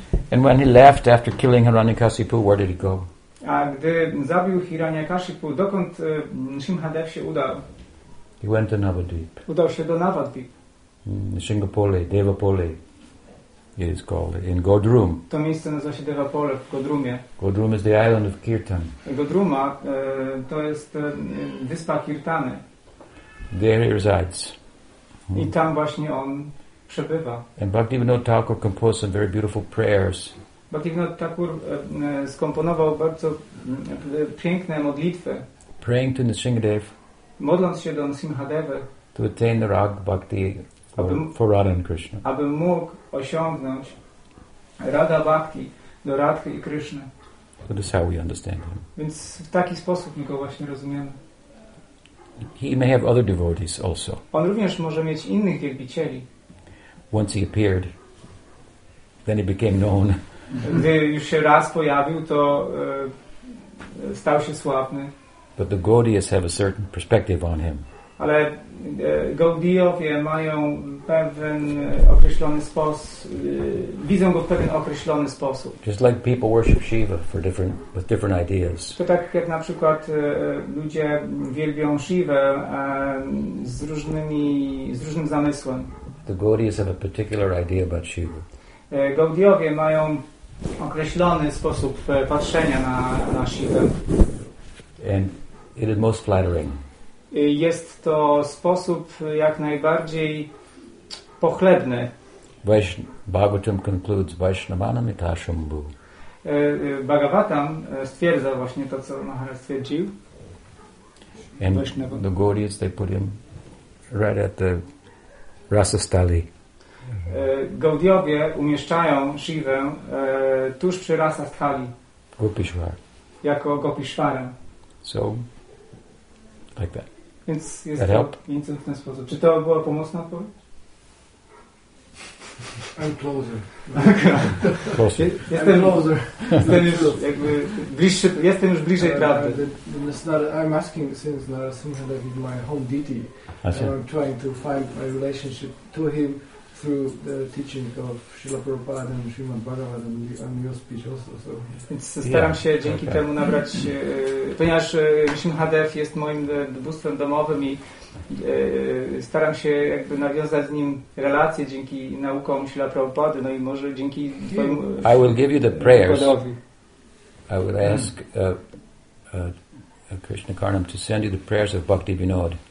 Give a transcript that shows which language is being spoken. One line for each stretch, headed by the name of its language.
English: And when he left after killing Hiranyakasipu, where did he go?
Polish: A gdy zabił Hiranyakasipu, dokąd Narsimhadev się udał?
English: He went to Navadvip.
Polish: Udał się do Navadvip.
English: Shingapole, Devapole. It is called in Godrum.
Polish: To miejsce nazywa się Devapole w Godrumie.
English: Godrum is the island of Kirtan.
Polish: Godruma to jest wyspa Kirtany.
English: There he resides.
Polish: I tam właśnie on przebywa.
English: And Bhaktivinoda Thakur composed some very beautiful prayers.
Polish: Bhaktivinoda Thakur skomponował bardzo piękne modlitwy.
English: Praying to Narsimhadev.
Polish: Modląc się do Narsimhadeva.
English: To attain the rag bhakti. For Radha and Krishna.
Polish: Aby mógł osiągnąć Radha Bhakti do Radha i Krishna.
English: So this is how we understand him.
Polish: Więc w taki sposób my go właśnie rozumiemy.
English: He may have other devotees also.
Polish: On również może mieć innych wielbicieli.
English: Once he appeared, then he became known.
Polish: Gdy już się raz pojawił, to stał się sławny.
English: But the Gaudiyas have a certain perspective on him.
Polish: Ale Gaudiowie mają pewien określony sposób, widzą go w pewien określony sposób.
English: Just like people worship Shiva for different, with different ideas.
Polish: To tak jak na przykład ludzie wielbią Shivę z różnym zamysłem.
English: The Gaudiyas have a particular idea about Shiva.
Polish: Gaudiowie mają określony sposób patrzenia na Shivę.
English: And it is most flattering.
Polish: Jest to sposób jak najbardziej pochlebny.
English: Bhagavatam concludes Vaishnavanam ita shambhu.
Polish: Bhagavatam stwierdza właśnie to, co Maharaj stwierdził.
English: And the Gaudiyas, they put him right at the Rasastali.
Polish: Gaudiowie umieszczają Shivę tuż przy Rasastali.
English: Gopishwar.
Polish: Jako Gopishwaram.
English: So, like that.
Polish: Więc jest
English: that to help?
Polish: Więc w ten sposób. Czy to była pomocna odpowiedź?
English: I'm closer. Closer.
Polish: Jestem
English: I'm closer. Jestem już jakby bliższy, jestem już bliżej prawdy. I'm asking since Narasimhadev is my home deity. And I'm trying to find my relationship to him through the teaching of Śrīla Prabhupāda and Śrīmad Bhāgavatam and your speech also. So.
Polish: Więc staram się dzięki temu nabrać, ponieważ Narsimhadev jest moim bóstwem domowym i staram się jakby nawiązać z nim relacje dzięki naukom Śrīla Prabhupāda, no i może dzięki twojemu.
English: I will give you the prayers. Podowi. I will ask Krishna Karnam to send you the prayers of Bhaktivinoda.